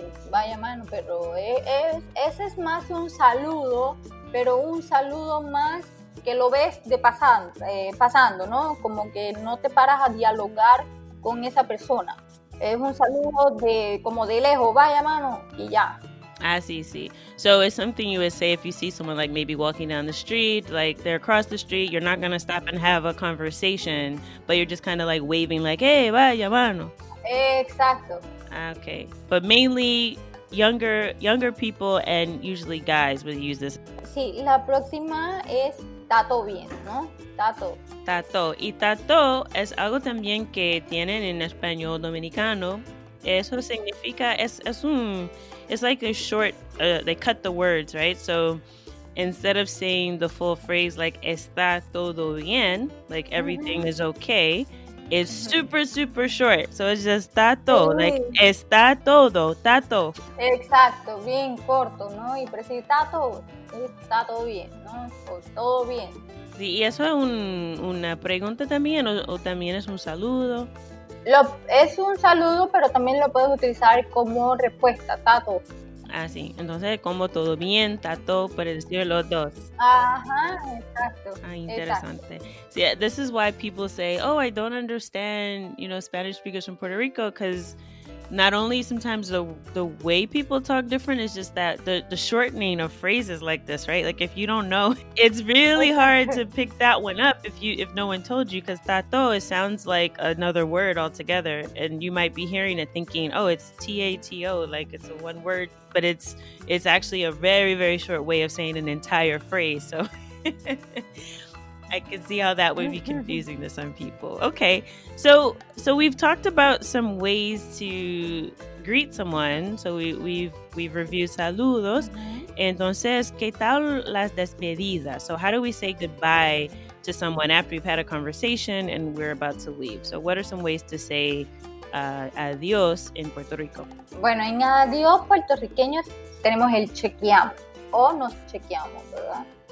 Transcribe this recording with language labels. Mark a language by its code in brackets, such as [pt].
[es] Vaya mano, pero ese es más un saludo, pero un saludo más que lo ves de pasando, ¿no? Como que no te paras a dialogar con esa persona. Es un saludo de como de lejos, vaya mano, y ya. Ah, sí. [en] So it's something you would say if you see someone like maybe walking down the street, like they're across the street, you're not going to stop and have a conversation, but you're just kind of like waving like, hey, [es] vaya mano. Exacto. [en] Okay. But mainly younger people and usually guys would use this. [es] Sí, la próxima es tato bien, ¿no? Tato. Tato. Y tato es algo también que tienen en español dominicano. Eso significa, [en] it's like a short, they cut the words, right? So instead of saying the full phrase like, [es] está todo bien, [en] like everything is okay, it's super, super short. So it's just tato, like [es] está todo, [en] tato. [es] Exacto, bien corto, ¿no? Y preciso, tato, está todo bien, ¿no? O todo bien. Sí, ¿y eso es una pregunta también o también es un saludo? Es un saludo, pero también lo puedes utilizar como respuesta, tato. Ah, sí. Entonces, como todo bien, tato, por decir los dos. Ajá, exacto. Ah, interesante. [en] Sí, so, this is why people say, oh, I don't understand, you know, Spanish speakers from Puerto Rico, because not only sometimes the way people talk different, it's just that the shortening of phrases like this, right? Like, if you don't know, it's really hard to pick that one up if no one told you, because tato, it sounds like another word altogether, and you might be hearing it thinking, oh, it's T-A-T-O, like it's a one word, but it's actually a very, very short way of saying an entire phrase, so I can see how that would be confusing to some people. Okay, so we've talked about some ways to greet someone. So we've reviewed saludos. [es] Entonces, ¿qué tal las despedidas? [en] So how do we say goodbye to someone after we've had a conversation and we're about to leave? So what are some ways to say adiós in Puerto Rico? [es] Bueno, en adiós puertorriqueños tenemos el chequeamos o nos chequeamos, ¿verdad?